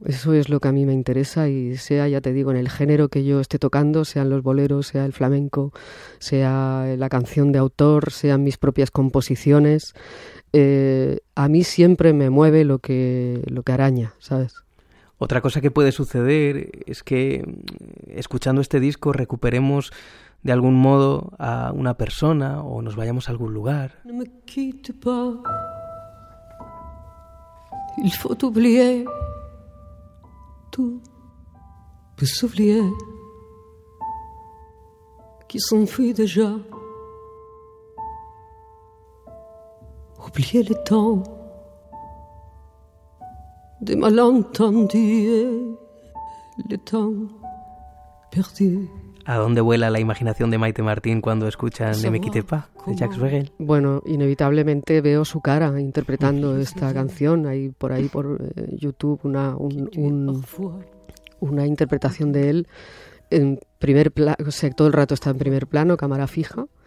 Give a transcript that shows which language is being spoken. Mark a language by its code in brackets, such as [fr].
[es] Eso es lo que a mí me interesa, y sea, ya te digo, en el género que yo esté tocando, sean los boleros, sea el flamenco, sea la canción de autor, sean mis propias composiciones, a mí siempre me mueve lo que araña, ¿sabes? Otra cosa que puede suceder es que, escuchando este disco, recuperemos de algún modo a una persona o nos vayamos a algún lugar. [fr] No me quito pa. Il faut oublier tout, peut s'oublier, qui s'enfuit déjà. Oublier le temps des malentendus, le temps perdu. [es] ¿A dónde vuela la imaginación de Maite Martín cuando escuchan Ne me quite pas, de Jacques Brel? Bueno, inevitablemente veo su cara interpretando esta canción. Hay por ahí, por YouTube, una interpretación de él. En primer plano, o sea, todo el rato está en primer plano, cámara fija.